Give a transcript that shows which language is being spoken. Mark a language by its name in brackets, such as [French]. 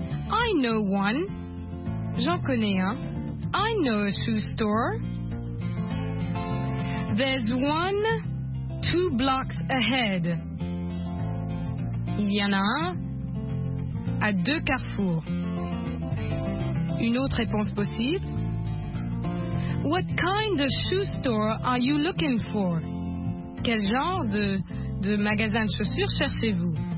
[English] I know one. [French] J'en connais un. [English] I know a shoe store. There's one two blocks ahead. [French] Il y en a un à deux carrefours. Une autre réponse possible. [English] What kind of shoe store are you looking for? [French] Quel genre de magasin de chaussures cherchez-vous?